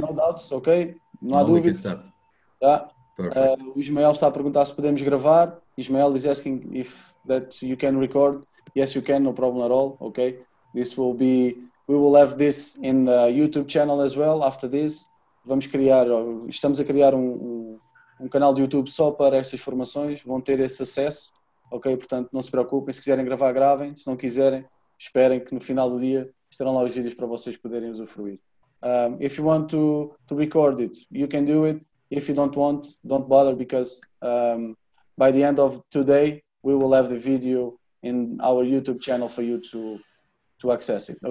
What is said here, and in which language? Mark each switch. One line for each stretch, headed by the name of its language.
English: No doubts, okay?
Portuguese: Não há dúvida.
English: We can start. Yeah. Perfect.
Portuguese: O Ismael está a perguntar se podemos gravar.
English: Ismael is asking if that you can record. Yes, you can, no problem at all, okay? This will be... We will have this in the YouTube channel as well after this.
Portuguese: Vamos criar... Estamos a criar um canal de YouTube só para estas formações. Vão ter esse acesso, ok? Portanto, não se preocupem. Se quiserem gravar, gravem. Se não quiserem, esperem que no final do dia... Estarão lá os vídeos para vocês poderem usufruir.
English: If you want to record it, you can do it. If you don't want, don't bother, because by the end of today, we will have the video in our YouTube channel for you to access it.